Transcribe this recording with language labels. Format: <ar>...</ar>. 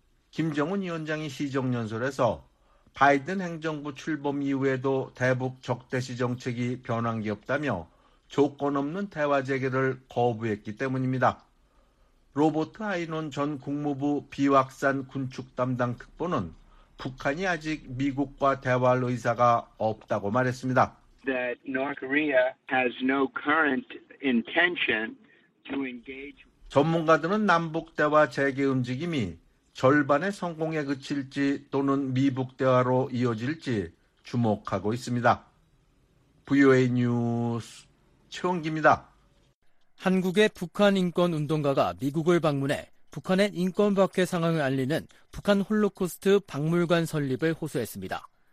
<ko>김정은 위원장이 시정연설에서 바이든 행정부 출범 이후에도 대북 적대시 정책이 변한 게 없다며 조건 없는 대화 재개를 거부했기 때문입니다. 로버트 아이논 전 국무부 비확산 군축 담당 특보는 북한이 아직 미국과 대화할 의사가 없다고 말했습니다.</ko> <en>That North Korea has no current intention to engage.</en> <ko>전문가들은 남북 대화 재개 움직임이 절반의 성공에 그칠지 또는 미북 대화로 이어질지 주목하고 있습니다. VOA 뉴스 최원기입니다. 한국의 북한 인권 운동가가 미국을 방문해 북한의 인권 박해 상황을 알리는 북한 홀로코스트 박물관 설립을 호소했습니다.</ko>